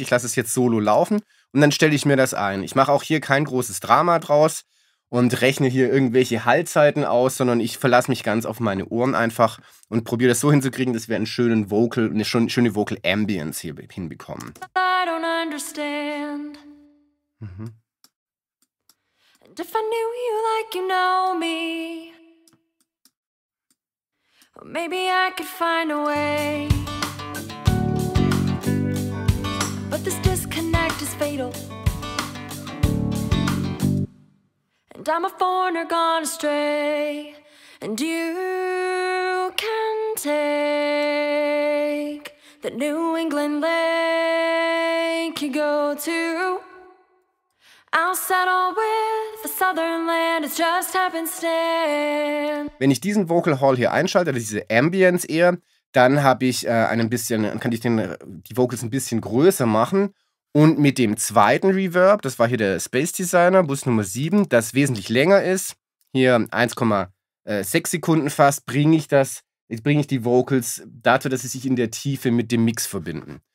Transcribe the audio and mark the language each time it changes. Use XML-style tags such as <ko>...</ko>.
<de>Ich lasse es jetzt solo laufen und dann stelle ich mir das ein. Ich mache auch hier kein großes Drama draus und rechne hier irgendwelche Hallzeiten aus, sondern ich verlasse mich ganz auf meine Ohren einfach und probiere das so hinzukriegen, dass wir einen schönen Vocal, eine schöne Vocal Ambience hier hinbekommen.</de> <en>I don't understand. And if I knew you like you know me, maybe I could find a way. But this disconnect is fatal. And I'm a foreigner gone astray, and you can take the New England lake you go to. I'll settle with the southern land, it's just happenstance.</en> <de>Wenn ich diesen Vocal Hall hier einschalte, diese Ambience eher, dann habe ich die Vocals ein bisschen größer machen. Und mit dem zweiten Reverb, das war hier der Space Designer, Bus Nummer 7, das wesentlich länger ist, hier 1,6 Sekunden fast, bringe ich die Vocals dazu, dass sie sich in der Tiefe mit dem Mix verbinden.</de>